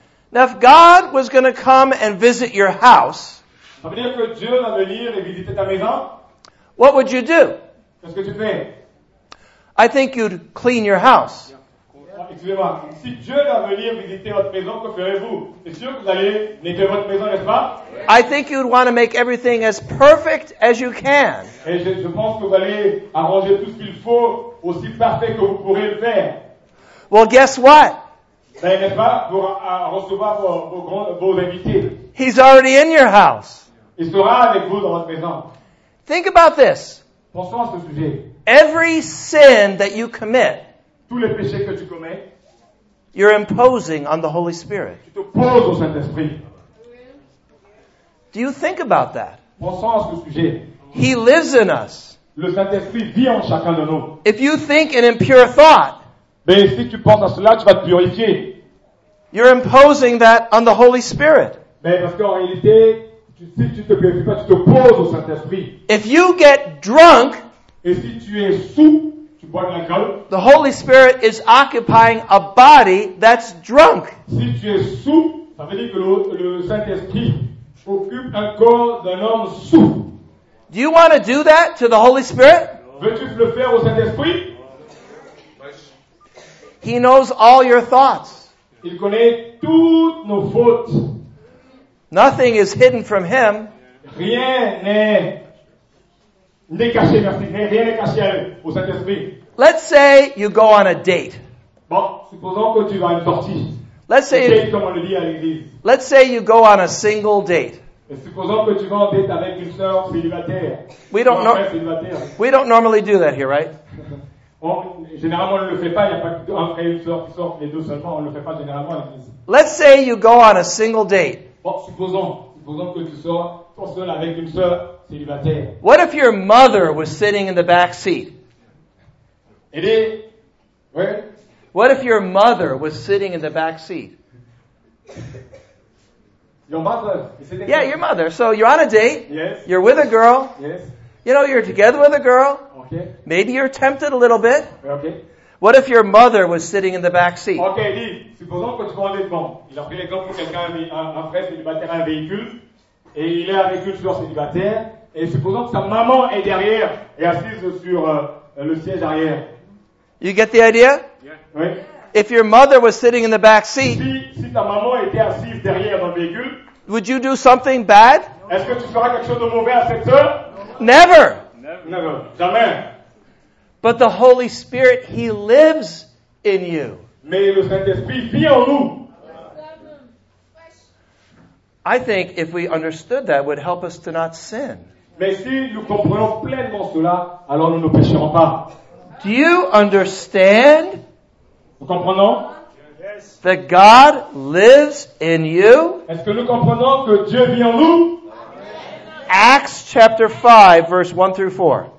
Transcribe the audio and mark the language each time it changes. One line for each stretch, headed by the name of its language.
English: Now, if God was going to come and visit your house,
French: ça veut dire que Dieu va venir et visiter ta maison?
English: What would you do?
French: Qu'est-ce que tu fais?
English: I think you'd clean your house.
French: excusez-moi. Si Dieu va venir visiter votre maison, que ferez-vous? C'est sûr que vous allez nettoyer votre maison, n'est-ce pas?
English: I think you'd want to make everything as perfect as you can.
French: Et je pense que vous allez arranger tout ce qu'il faut aussi parfait que vous pourrez le faire.
English: Well, guess what?
French: Ben, n'est-ce pas, pour recevoir vos invités.
English: He's already in your house.
French: Il sera avec vous dans votre maison.
English: Think about this.
French: Pensons à ce sujet.
English: Every sin that you commit,
French: tous les péchés que tu commets,
English: you're imposing on the Holy Spirit.
French: Tu te poses au Saint-Esprit.
English: Do you think about that?
French: Pensons à ce sujet.
English: He lives in us.
French: Le Saint-Esprit vit en chacun de nous.
English: If you think an impure thought,
French: mais si tu penses à cela, tu vas te purifier.
English: You're imposing that on the Holy Spirit.
French: Mais parce qu'en réalité, si tu te purifies pas, tu te poses au Saint-Esprit.
English: If you get drunk,
French: et si tu es sous, tu bois de l'alcool.
English: The Holy Spirit is occupying a body that's drunk.
French: Si tu es sous, ça veut dire que le Saint-Esprit occupe un corps d'un homme sous.
English: Do you want to do that to the Holy Spirit?
French: Veux-tu le faire au Saint-Esprit?
English: He knows all your thoughts.
French: Il connaît toutes nos fautes.
English: Nothing is hidden from him.
French: Rien n'est caché, merci. Rien n'est caché au Saint-Esprit.
English: Let's say you go on a date.
French: Bon, supposons que tu vas à une sortie.
English: Let's say,
French: date, comme on le dit à l'église.
English: Let's say you go on a single date.
French: Et supposons que tu vas en date avec une sœur célibataire.
English: We don't normally do that here, right?
French: Bon, généralement, on ne le fait pas. Il n'y a pas un frère et une sœur qui sortent les deux seulement. On ne le fait pas généralement à l'église.
English: Let's say you go on a single date.
French: Bon, supposons que tu sois tout seul avec une sœur célibataire.
English: What if your mother was sitting in the back seat?
French: Elle est... Ouais.
English: What if your mother was sitting in the back seat? Your mother. Yeah, your mother. So you're on a date. Yes. You're with a girl. Yes. You know, you're together with a girl. Okay. Maybe you're tempted a little bit. Okay. What if your mother was sitting in the back seat?
French: Okay, dis, supposons que tu vas en vêtement. Il a pris les gants pour quelqu'un, un frère célibataire, un véhicule. Et il est avec une soeur célibataire. Et supposons que sa maman est derrière et assise sur le siège arrière.
English: You get the idea? Yeah. Oui. If your mother was sitting in the back seat,
French: si ta maman était assise derrière dans le véhicule,
English: would you do something bad?
French: Est-ce que tu feras quelque chose de mauvais à cette heure?
English: Never. Never. Jamais. But the Holy Spirit, He lives in you.
French: Mais le Saint-Esprit vit en nous.
English: I think if we understood that, it would help us to not sin.
French: Mais si nous comprenons pleinement cela, alors nous ne pécherons pas.
English: Do you understand?
French: Nous comprenons? Yes.
English: That God lives in you?
French: Est-ce que nous comprenons que Dieu vit en nous?
English: Acts chapter 5, verse 1 through 4.